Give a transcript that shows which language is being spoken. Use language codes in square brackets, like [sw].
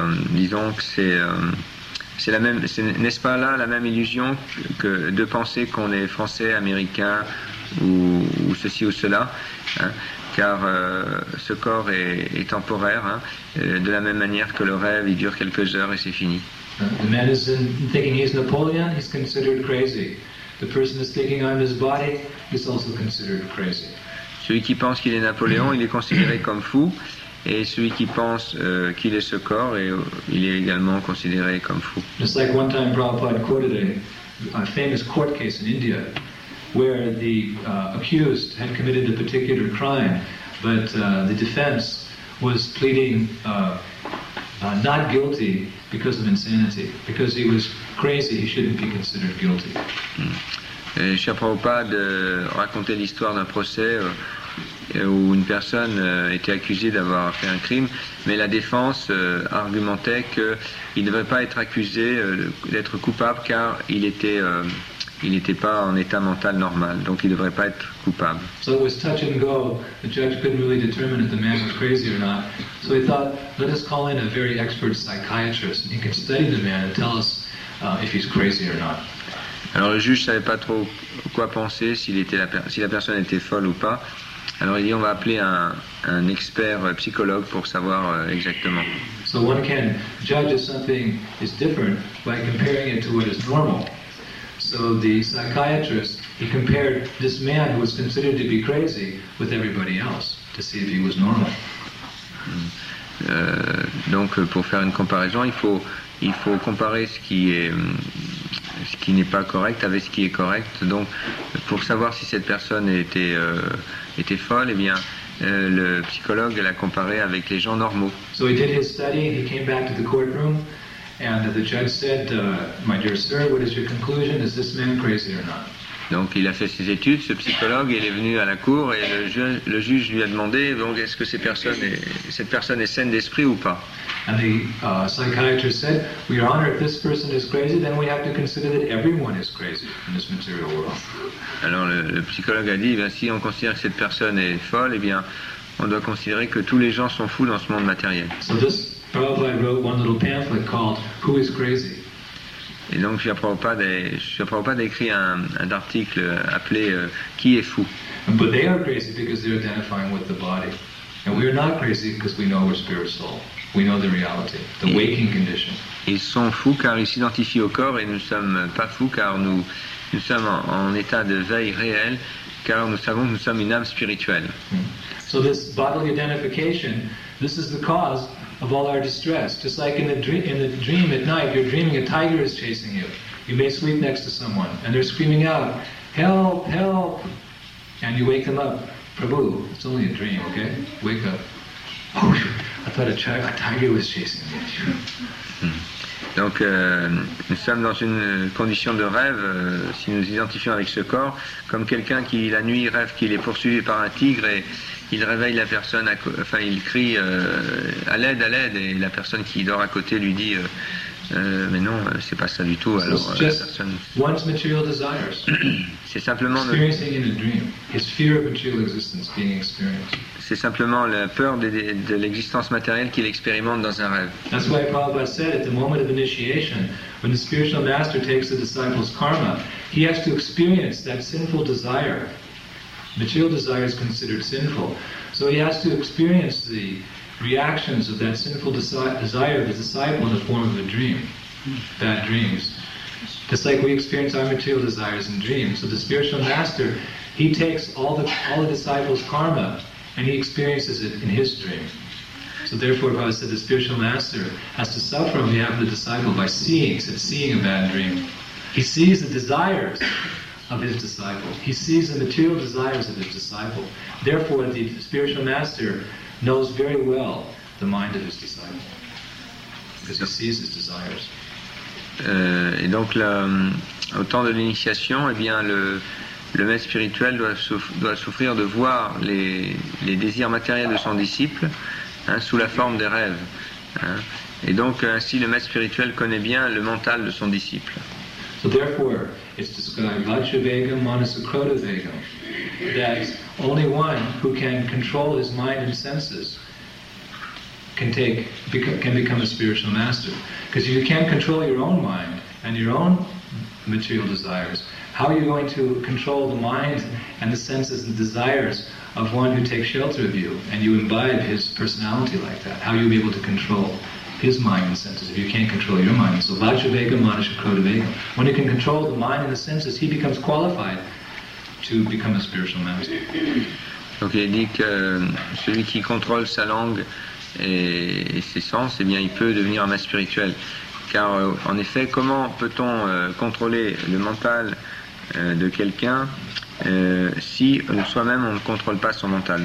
[fr] Disons que c'est la même, n'est-ce pas là la même illusion que de penser qu'on est français, américain ou ceci ou cela, hein, car ce corps est temporaire, hein, de la même manière que le rêve, il dure quelques heures et c'est fini. [en] The man is thinking he's Napoleon, he's considered crazy. The person is thinking I'm his body, he's also considered crazy. [fr] Celui qui pense qu'il est Napoléon, il est considéré comme fou. Et celui qui pense qu'il est ce corps, il est également considéré comme fou. [en] Just like one time Prabhupada quoted a famous court case in India where the accused had committed a particular crime, but the defense was pleading not guilty because of insanity. Because he was crazy, he shouldn't be considered guilty. [fr] Shri Prabhupada racontait l'histoire d'un procès où une personne était accusée d'avoir fait un crime, mais la défense argumentait qu'il ne devait pas être accusé d'être coupable car il n'était pas en état mental normal, donc il ne devrait pas être coupable. [en] So it was touch and go. The judge couldn't really determine if the man was crazy or not. So he thought, let us call in a very expert psychiatrist and he can study the man and tell us if he's crazy or not. [fr] Alors le juge ne savait pas trop quoi penser, si la personne était folle ou pas. Alors il dit, on va appeler un expert psychologue pour savoir exactement. [en] So one can judge if something is different by comparing it to what is normal. So the psychiatrist, he compared this man who was considered to be crazy with everybody else to see if he was normal. [fr] Donc pour faire une comparaison, il faut comparer ce qui n'est pas correct avec ce qui est correct. Donc pour savoir si cette personne était folle, eh bien le psychologue l'a comparé avec les gens normaux. [en] So he did his study, he came back to the courtroom and the judge said, my dear sir, what is your conclusion? Is this man crazy or not? [fr] Donc il a fait ses études, ce psychologue, il est venu à la cour et le juge lui a demandé donc, est-ce que cette personne est saine d'esprit ou pas. [en] And the psychiatrist said, well, Your Honor, if this person is crazy, then we have to consider that everyone is crazy in this material world. [fr] Alors le psychologue a dit, eh bien, si on considère que cette personne est folle, eh bien, on doit considérer que tous les gens sont fous dans ce monde matériel. [en] So this Prabhupada wrote one little pamphlet called Who is Crazy? [fr] Et donc Prabhupada a écrit un article appelé Qui est fou? [en] But they are crazy because they're identifying with the body. And we are not crazy because we know we're spirit soul. We know the reality, the waking condition. [fr] Ils sont fous car ils s'identifient au corps et nous ne sommes pas fous car nous sommes en état de veille réel car nous savons que nous sommes une âme spirituelle. [en] So this bodily identification, this is the cause of all our distress. Just like in the dream at night, you're dreaming a tiger is chasing you. You may sleep next to someone and they're screaming out, help, help! And you wake them up. Prabhu, it's only a dream, okay? Wake up. Oh, I thought a tiger was chasing me. [fr] Donc, nous sommes dans une condition de rêve, si nous identifions avec ce corps, comme quelqu'un qui, la nuit, rêve qu'il est poursuivi par un tigre et il réveille la personne, il crie à l'aide, et la personne qui dort à côté lui dit mais non, c'est pas ça du tout. Alors, [en] one's material desires. [fr] C'est simplement [en] experiencing in a dream, his fear of material existence being experienced. [fr] C'est simplement la peur de l'existence matérielle qu'il expérimente dans un rêve. [en] That's why Prabhupada said at the moment of initiation, when the spiritual master takes the disciple's karma, he has to experience that sinful desire. Material desire is considered sinful, so he has to experience the reactions of that sinful desire of the disciple in the form of a dream, bad dreams. Just like we experience our material desires in dreams. So the spiritual master, he takes all the disciples' karma and he experiences it in his dream. So therefore, if I said the spiritual master has to suffer on behalf of the disciple by seeing a bad dream. He sees the desires of his disciple. He sees the material desires of his disciple. Therefore, the spiritual master knows very well the mind of his disciple because he sees his desires. [fr] Et donc, au temps de l'initiation, eh bien, le maître spirituel doit souffrir de voir les désirs matériels de son disciple sous la forme des rêves. Hein. Et donc, ainsi, le maître spirituel connaît bien le mental de son disciple. [en] So therefore, it's described Vajravegam, Manasakrodavegam, that only one who can control his mind and senses can become a spiritual master. Because if you can't control your own mind and your own material desires, how are you going to control the mind and the senses and desires of one who takes shelter of you and you imbibe his personality like that? How are you able to control his mind and senses if you can't control your mind? So Vajravegam, Manasakrodavegam. When you can control the mind and the senses, he becomes qualified to become a spiritual master. [fr] Donc il dit que celui qui contrôle sa langue et ses sens, eh bien, il peut devenir un maître spirituel. Car en effet, comment peut-on contrôler le mental de quelqu'un si soi-même on ne contrôle pas son mental?